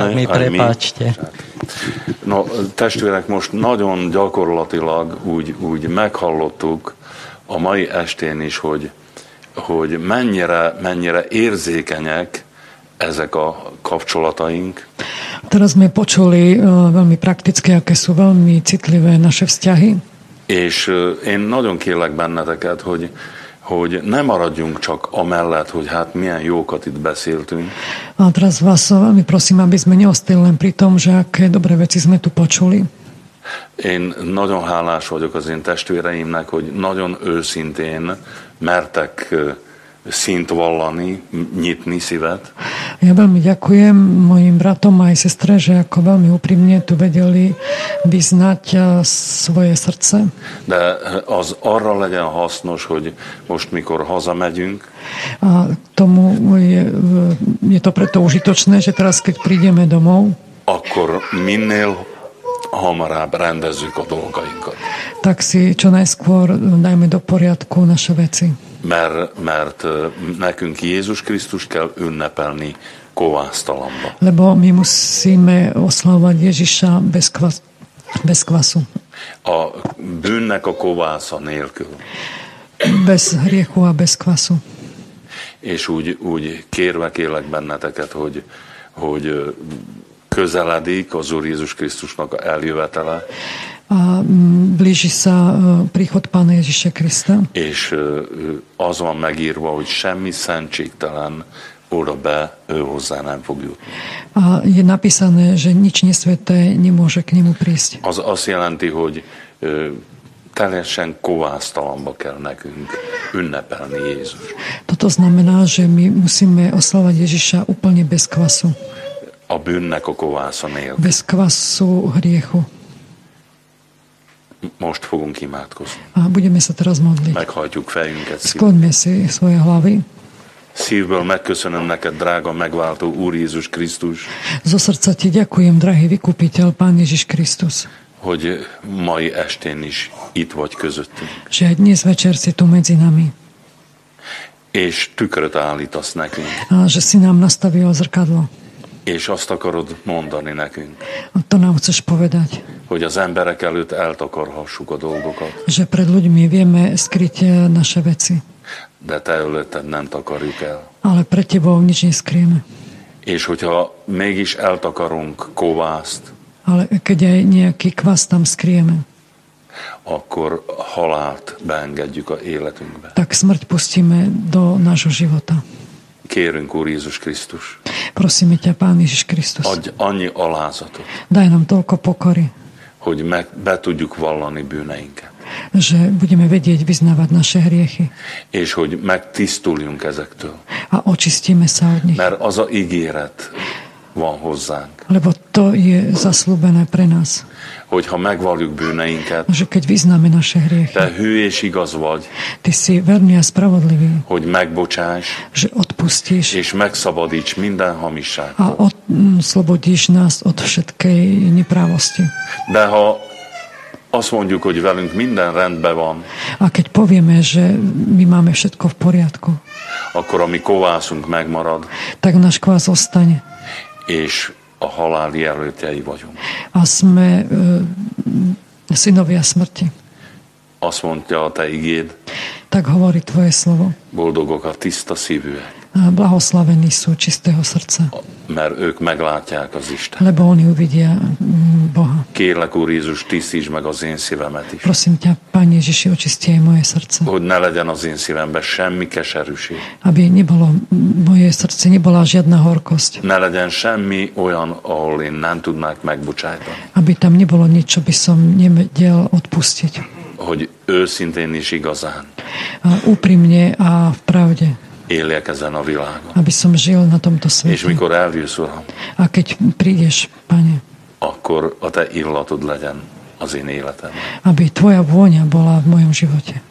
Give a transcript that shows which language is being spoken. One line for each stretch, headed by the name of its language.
Slovak: Tak mi prepáčte.
Hungarian: No, testvérek, most nagyon gyakorlatilag úgy meghallottuk a mai estén is, hogy mennyire érzékenyek ezek a kapcsolataink.
Slovak: Teraz sme počuli veľmi prakticky, aké sú veľmi citlivé naše vzťahy.
Hungarian: És én nagyon kérlek benneteket, hogy ne maradjunk csak amellett, hogy hát milyen jókat itt beszéltünk.
Slovak: A teraz vás veľmi prosím, aby sme neostali len pri tom, že aké dobré veci sme tu počuli.
Hungarian: Én nagyon hálás vagyok az én testvéreimnek, hogy nagyon őszintén mertek szint vallani, nyitni szívet.
Slovak: Ja veľmi ďakujem mojim bratom aj sestre, že ako veľmi úprimne tu vedeli vyznať svoje srdce.
Hungarian: De az arra legyen hasznos, hogy most mikor hazamegyünk.
Slovak: A tomu je to preto užitočné, že teraz keď prídeme domov,
Hungarian: akkor minél hamarabb rendezzük a dolgainkat.
Slovak: Tak si čo najskôr dajme do poriadku naše veci.
Hungarian: Mert nekünk Jézus Krisztus kell ünnepelni kovásztalamba.
Slovak: Lebo mi musíme oslavovať Ježiša bez kvasu.
Hungarian: A bűnnek a kovásza nélkül.
Slovak: Bez hriechu a bez kvasu.
Hungarian: És úgy kérve kérlek benneteket, hogy közeledik az Úr Jézus Krisztusnak a eljövetele.
Slovak: A blíži sa príchod Pána Ježiša Krista.
Hungarian: És az van megírva, hogy semmi szentségtelen oda be ő hozzá nem fog jutni.
Slovak: A je napísané, že nič nesveté nemôže k nemu prísť.
Hungarian: Az azt jelenti, hogy teljesen kovásztalamba kell nekünk ünnepelni Jézus.
Slovak: Toto znamená, že my musíme oslavať Ježiša úplne bez kvasu.
Hungarian: A bűnnek a kovásza nélkül.
Slovak: Bez kvasu hriechu.
Hungarian: Most fogunk imádkozni.
Slovak: A budeme sa teraz modliť.
Hungarian: Meghajtjuk fejünket.
Slovak: Sklonme si svoje hlavy.
Hungarian: Szívből megköszönöm neked, drága megváltó Úr Jézus Krisztus.
Slovak: Zo srdca ti ďakujem, drahý vykupiteľ, Pán Ježiš Krisztus.
Hungarian: Hogy mai estén is itt vagy közöttünk.
Slovak: Že dnes večer si tu medzi nami.
Hungarian: És tükröt állítasz nekünk.
Slovak: A že si nám nastavil zrkadlo.
Hungarian: És azt akarod mondani nekünk.
Slovak: A to nám chceš povedať.
Hungarian: Hogy az emberek előtt eltakarhassuk a dolgokat.
Slovak: Že pred ľuďmi vieme skryť naše veci.
Hungarian: De te előtted nem takarjuk el.
Slovak: Ale pred tebou nič neskrieme.
Hungarian: És hogyha mégis eltakarunk kovászt.
Slovak: Ale keď aj nejaký kvas tam skrieme.
Hungarian: akkor halált beengedjük a életünkbe.
Slovak: Tak smrť pustíme do nášho života.
Hungarian: Kérünk, Úr Jézus Krisztus.
Slovak: Prosíme ťa, Pán Ježiš Krisztus.
Hungarian: Adj annyi alázatot.
Slovak: Daj nám toľko pokory.
Hungarian: Hogy be tudjuk vallani bűneinket.
Slovak: Že budeme vedieť vyznávať naše hriechy.
Hungarian: És hogy megtisztuljunk ezektől.
Slovak: A očistíme sa od nich.
Hungarian: Mert az a ígéret van hozzánk.
Slovak: Lebo to je zasľúbené pre nás.
Hungarian: Hogyha megvalljuk bűneinket.
Slovak: Že keď vyznáme naše hriechy.
Hungarian: Te hű és igaz vagy.
Slovak: Ty si verný a spravodlivý.
Hungarian: Hogy megbocsáss.
Slovak: Že odpustíš.
Hungarian: És megszabadíts minden hamisságtól.
Slovak: A oslobodíš nás od všetkej neprávosti.
Hungarian: De ha azt mondjuk, hogy velünk minden rendben van.
Slovak: A keď povieme, že my máme všetko v poriadku.
Hungarian: Akkor a mi kovászunk megmarad.
Slovak: Tak náš kovász ostane.
Hungarian: És a halál jelöltjei vagyunk.
Slovak: A sme synovia smrti.
Hungarian: Azt mondja a te igéd.
Slovak: Tak hovorí tvoje slovo.
Hungarian: Boldogok a tiszta szívűek.
Slovak: A blahoslavení sú čistého srdca.
Hungarian: Mert ők meglátják az Isten.
Slovak: Lebo oni uvidia Boha.
Hungarian: Kérlek, Úr Jézus, tisztíts meg az én szívemet is.
Slovak: Prosím ťa, Pán Ježiši, očistí aj moje srdce.
Hungarian: Hogy ne legyen az én szívembe semmi keserűség.
Slovak: Aby nebolo moje srdce, nebola žiadna horkosť.
Hungarian: Ne legyen semmi olyan, ahol én nem tudnák megbocsájtani.
Slovak: Aby tam nebolo nič, čo by som nevedel odpustiť.
Hungarian: Hogy őszintén is igazán.
Slovak: A úprimne a v pravde.
Hungarian: Éljek ezen a világon.
Slovak: Aby som žil na tomto svete.
Hungarian: És mikor eljössz, Uram.
Slovak: A keď prídeš, Pane.
Hungarian: Akkor a te illatod legyen az én életemben.
Slovak: Aby tvoja vôňa bola v mojom živote.